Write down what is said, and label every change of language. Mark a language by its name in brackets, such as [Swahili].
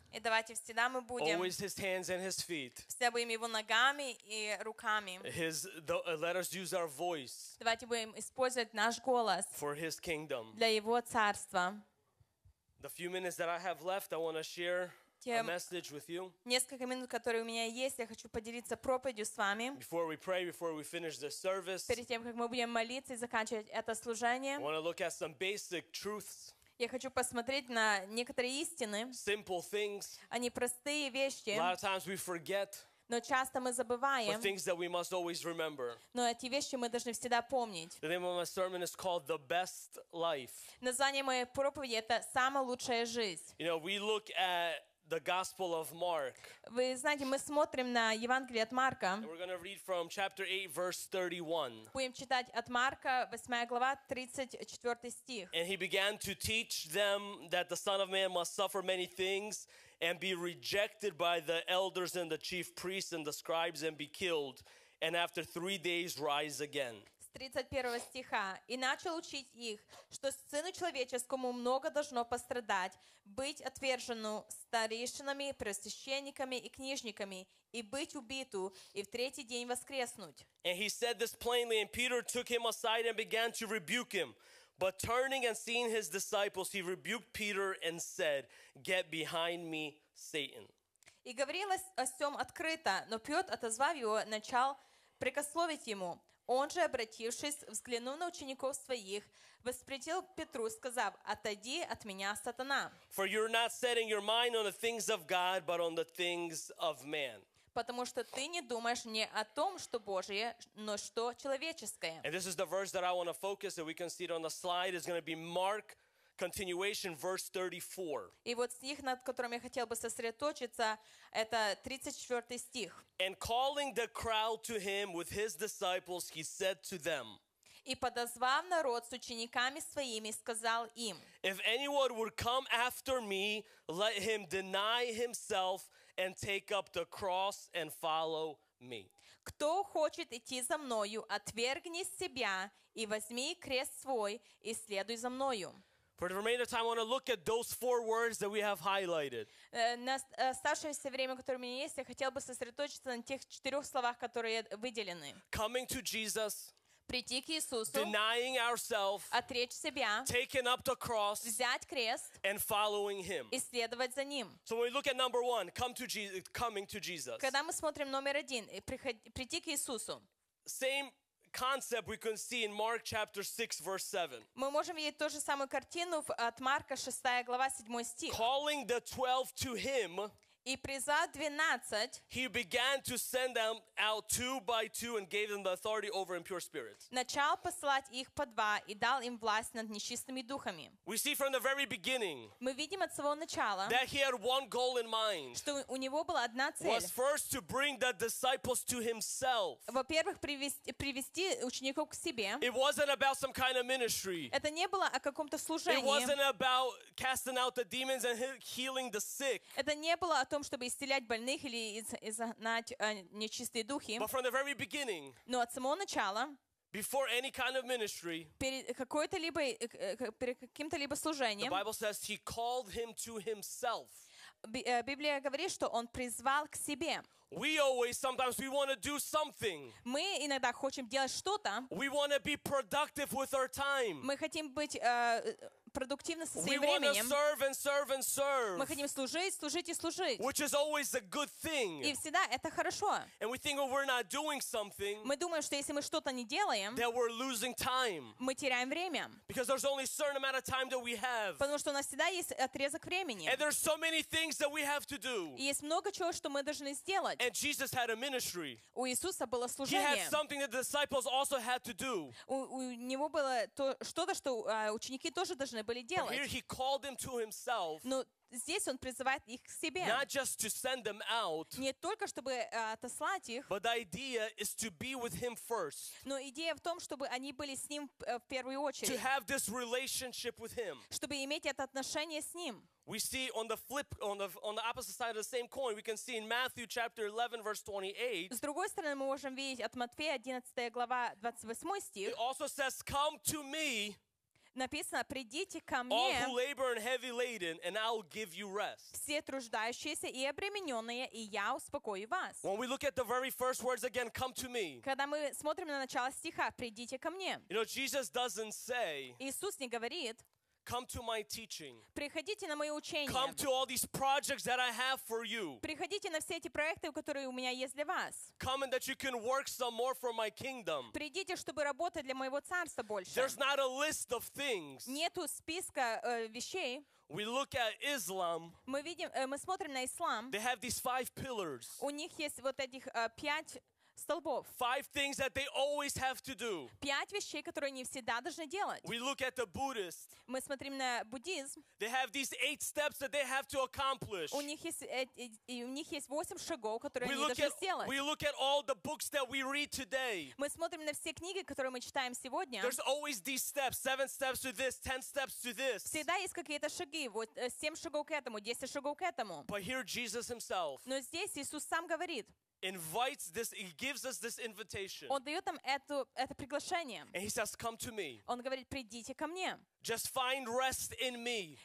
[Russian] И давайте всегда мы будем. [English] Always his hands and his feet. [Russian] Всегда будем его ногами и руками. [English] Let us use our voice. [Russian] Давайте будем использовать наш голос. [English] For his kingdom. [Russian] Для его царства. [English] The few minutes that I have left, I want to share a message with you. [Russian] Несколько минут, которые у меня есть, я хочу поделиться проповедью с вами. [English] Before we pray, before we finish this service, [Russian] перед тем как мы будем молиться и заканчивать это служение, [English] I want to look at some basic truths. [Russian] Я хочу посмотреть на некоторые истины. [English] Simple things. [Russian] Они простые вещи. [English] A lot of times we forget. [Russian] Но часто мы забываем. [English] But things that we must always remember. [Russian] Но эти вещи мы должны всегда помнить. [English] The name of my sermon is called "The Best Life". [Russian] Название моей проповеди — это самая лучшая жизнь. [English] You know, we look at the Gospel of Mark. [Russian] Вы знаете, мы смотрим на Евангелие от Марка. [English] And we're going to read from chapter 8, verse 31. [Russian] Будем читать от Марка, 8 глава, 34 стих. [English] And he began to teach them that the Son of Man must suffer many things and be rejected by the elders and the chief priests and the scribes and be killed, and after 3 days rise again. [Russian] 31 стиха. «И начал учить их, что Сыну Человеческому много должно пострадать, быть отвержену старейшинами, первосвященниками и книжниками, и быть убиту, и в третий день воскреснуть». [English] And he said this plainly, and Peter took him aside and began to rebuke him. But turning and seeing his disciples, he rebuked Peter and said, «Get behind me, Satan». [Russian] И говорилось о сём открыто, но Петр, отозвав его, начал прикословить ему. Он же, обратившись, взглянув на учеников своих, воспретил Петру, сказав, «Отойди от меня, сатана». [English] For you're not setting your mind on the things of God, but on the things of man. [Russian] Потому что ты не думаешь не о том, что Божие, но что человеческое. [English] And this is the verse that I want to focus, that we can see it on the slide. It's going to be Mark, continuation, verse 34. [Russian] И вот стих, над которым я хотел бы сосредоточиться, это 34 стих. [English] And calling the crowd to him with his disciples, he said to them, [Russian] и подозвав народ с учениками своими, сказал им, [English] if anyone would come after me, let him deny himself and take up the cross and follow me. [Russian] Кто хочет идти за мною, отвергни себя и возьми крест свой и следуй за мною. [English] For the remainder of time, I want to look at those four words that we have highlighted. [Russian] На оставшееся время, которое у меня есть, я хотел бы сосредоточиться на тех четырех словах, которые выделены. [English] Coming to Jesus. [Russian] Прийти к Иисусу. [English] Denying ourselves. [Russian] Отречь себя. [English] Taking up the cross. [Russian] Взять крест. [English] And following him. [Russian] И следовать за ним. [English] So when we look at number one, come to Jesus, coming to Jesus. [Russian] Когда мы смотрим номер один, прийти к Иисусу. [English] Same concept we can see in Mark chapter 6 verse 7. [Russian] Мы можем видеть ту же самую картину от Марка 6 глава 7 стих. [English] Calling the 12 to him. [Russian] И призвав 12. [English] He began to send them out two by two and gave them the authority over impure spirits. [Russian] Начал посылать их по два и дал им власть над нечистыми духами. [English] We see from the very beginning. [Russian] Мы видим от самого начала. [English] That he had one goal in mind. [Russian] Что у него была одна цель. [English] Was first to bring the disciples to himself. [Russian] Во-первых, привести учеников к себе. [English] It wasn't about some kind of ministry. [Russian] Это не было о каком-то служении. [English] It wasn't about casting out the demons and healing the sick. [Russian] Это не было о том, чтобы исцелять больных или изгнать нечистые духи. [English] But from the very beginning, [Russian] но от самого начала, [English] before any kind of ministry, [Russian] перед каким-то либо служением, [English] the Bible says he called him to himself. [Russian] Библия говорит, что он призвал к себе. [English] We always, sometimes we want to do something. [Russian] Мы иногда хотим делать что-то. [English] We want to be productive with our time. [Russian] Мы хотим быть продуктивно со своим временем. [English] We want to serve and serve and serve. [Russian] Мы хотим служить, служить и служить. [English] Which is always a good thing. [Russian] И всегда это хорошо. [English] And we think we're not doing something. [Russian] Мы думаем, что если мы что-то не делаем, [English] that we're losing time. [Russian] Мы теряем время. [English] Because there's only a certain amount of time that we have. [Russian] Потому что у нас всегда есть отрезок времени. [English] And there's so many things that we have to do. [Russian] И есть много чего, что мы должны сделать. [English] And Jesus had a ministry. [Russian] У Иисуса было служение. [English] He had something that the disciples also had to do. [Russian] У него было то что-то, что ученики тоже должны должны были делать. [English] Here he called them to himself. [Russian] Здесь он призывает их к себе. [English] Not just to send them out, [Russian] не только чтобы отослать их, [English] but idea is to be with him first, [Russian] но идея в том, чтобы они были с ним в первую очередь, [English] to have this relationship with him. [Russian] Чтобы иметь это отношение с ним. [English] We see on the flip, on the opposite side of the same coin, we can see in Matthew chapter 11, verse 28. [Russian] С другой стороны, мы можем видеть от Матфея 11 глава 28 стих. [English] It also says, "Come to me." [Russian] Написано, придите ко мне, [English] all who labor and heavy laden, and I'll give you rest. [Russian] Все труждающиеся и обремененные, и я успокою вас. [English] When we look at the very first words again, come to me. [Russian] Когда мы смотрим на начало стиха, придите ко мне. [English] You know, Jesus doesn't say, [Russian] Иисус не говорит, [English] come to my teaching. [Russian] Приходите на мое учение. [English] Come to all these projects that I have for you. [Russian] Приходите на все эти проекты, которые у меня есть для вас. [English] Come and that you can work some more for my kingdom. [Russian] Придите, чтобы работать для моего царства больше. [English] There's not a list of things. [Russian] Нету списка вещей. [English] We look at Islam. [Russian] Мы видим, мы смотрим на ислам. [English] They have these five pillars. [Russian] У них есть вот этих пять. [English] Five things that they always have to do. [Russian] Пять вещей, которые они всегда должны делать. [English] We look at the Buddhists. [Russian] Мы смотрим на буддизм. [English] They have these eight steps that they have to accomplish. [Russian] У них есть восемь шагов, которые они должны сделать. [English] We look at all the books that we read today. [Russian] Мы смотрим на все книги, которые мы читаем сегодня. [English] There's always these steps, seven steps to this, 10 steps to this. [Russian] Всегда есть какие-то шаги, вот семь шагов к этому, 10 шагов к этому. [English] But here Jesus himself. [Russian] Но здесь Иисус сам говорит. [English] Invites this, he gives us this invitation. [Russian] Он дает нам это приглашение. [English] And he says, "Come to me." [Russian] Он говорит, придите ко мне. [English] Just find rest in me.